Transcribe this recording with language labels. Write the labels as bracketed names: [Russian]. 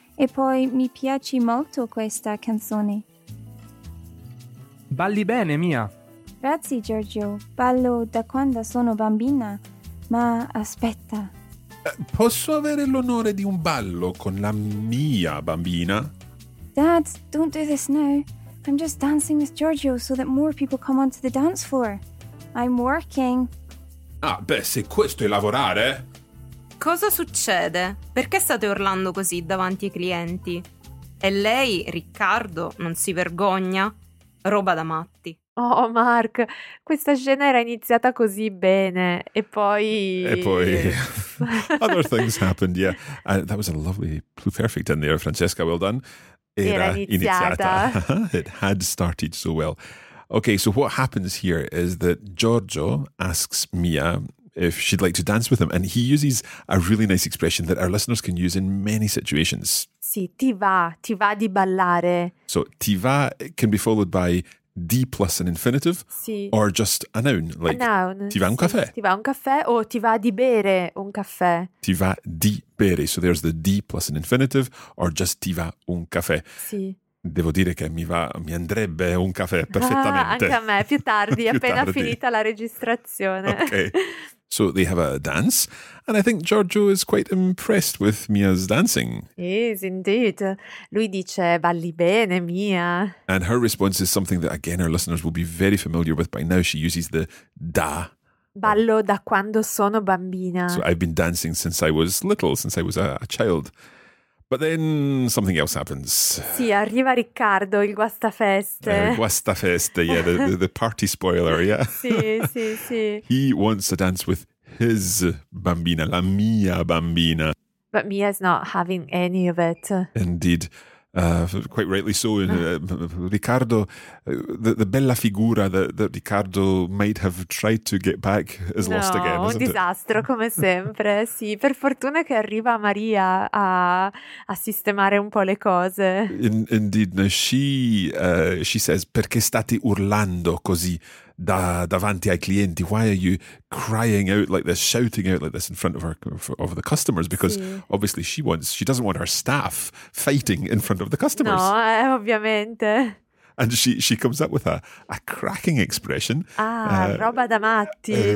[Italian] E poi mi piace molto questa canzone. Balli bene, Mia. Grazie, Giorgio. Ballo da quando sono bambina. Ma aspetta. Posso avere l'onore di un ballo con la mia bambina? [English] Dad, don't do this now. I'm just dancing with Giorgio so that more people come onto the dance floor. I'm working. [Italian] Ah, beh, se questo è lavorare. Cosa succede? Perché state urlando così davanti ai clienti? E lei, Riccardo, non si vergogna? Roba da matti. Oh, Mark, questa scena era iniziata così bene. E poi... [English] Other things happened, yeah. That was a lovely blue perfect in there, Francesca, well done. [Italian] Era iniziata. [English] It had started so well. Okay, so what happens here is that Giorgio asks Mia if she'd like to dance with him, and he uses a really nice expression that our listeners can use in many situations. [Italian] Sì, ti va di ballare. [English] So ti va can be followed by D plus an infinitive, [Italian] sì. [English] Or just a noun, like a noun. [Italian] Ti va un caffè. Sì, ti va un caffè o ti va di bere un caffè. Ti va di bere. [English] So there's the D plus an infinitive or just [Italian] ti va un caffè. Sì. Devo dire che mi andrebbe un caffè perfettamente. Ah, anche a me, più tardi, più appena tardi. Finita la registrazione. [English] Okay. So they have a dance and I think Giorgio is quite impressed with Mia's dancing. Yes, indeed. [Italian] Lui dice, balli bene, Mia. [English] And her response is something that, again, our listeners will be very familiar with by now. She uses the da. [Italian] Ballo da quando sono bambina. [English] So I've been dancing since I was little, since I was a child. But then something else happens. [Italian] Sì, arriva Riccardo, il guastafeste. [English] Guastafeste, yeah, the party spoiler, yeah. [Italian] Sì, sì, sì. [English] He wants to dance with his bambina, [Italian] la mia bambina. [English] But Mia's not having any of it. Indeed. Quite rightly so. Riccardo, the bella figura that Riccardo might have tried to get back is lost again, isn't it? [Italian] No, un disastro come sempre. Sì, per fortuna che arriva Maria a sistemare un po' le cose. [English] Indeed. Now she says, [Italian] perché state urlando così davanti ai clienti? [English] Why are you crying out like this, shouting out like this in front of the customers? Because sì, obviously she doesn't want her staff fighting in front of the customers. [Italian] No, ovviamente. [English] And she comes up with a cracking expression. [Italian] Ah, roba da matti.